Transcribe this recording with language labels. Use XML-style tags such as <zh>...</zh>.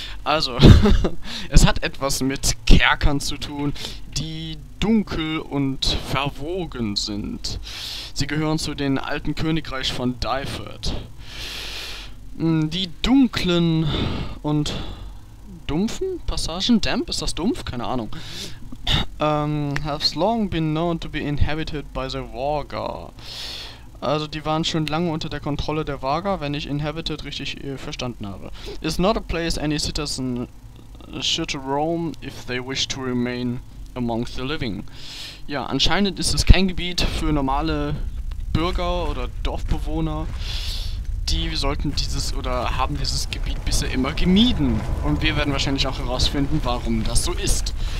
<de>Also, es hat etwas mit Kerkern zu tun, die dunkel und verwogen sind. Sie gehören zu dem alten Königreich von Dyford. Die dunklen und dumpfen Passagen, damp, ist das dumpf? Keine Ahnung.</de> <en>Have long been known to be inhabited by the Warger.</en> <de>Also die waren schon lange unter der Kontrolle der Warger, wenn ich inhabited richtig verstanden habe.</de> <en>It's not a place any citizen should roam if they wish to remain amongst the living.</en> <de>Ja, anscheinend ist es kein Gebiet für normale Bürger oder Dorfbewohner. Die sollten dieses oder haben dieses Gebiet bisher immer gemieden. Und wir werden wahrscheinlich auch herausfinden, warum das so ist.</de>